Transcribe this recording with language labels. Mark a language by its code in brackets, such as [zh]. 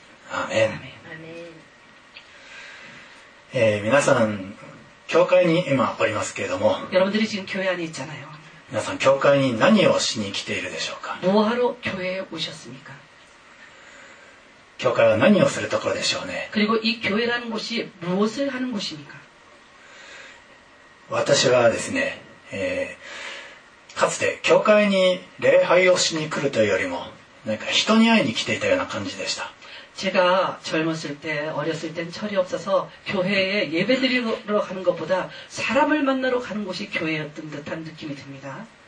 [ko] 아멘아멘 [ja] 皆さん教会に今おりますけれども [ko] 여러분들이지금교회안에있잖아요 [ja] 皆さん教会に何をしに来ているでしょうか。 [ko] 무하러교회에오셨습니까。 [ja] 教会は何をするところでしょうね。 [ko] 그리고이교회라는곳이무엇을하는곳입니까。 [ja] 私はですね、かつて教会に礼拝をしに来るというよりも、なんか人に会いに来ていたような感じでした。 [ko] 제가젊었을때어렸을땐철이없어서교회에예배드리러가는것보다사람을만나러가는곳이교회였던듯한느낌이듭니다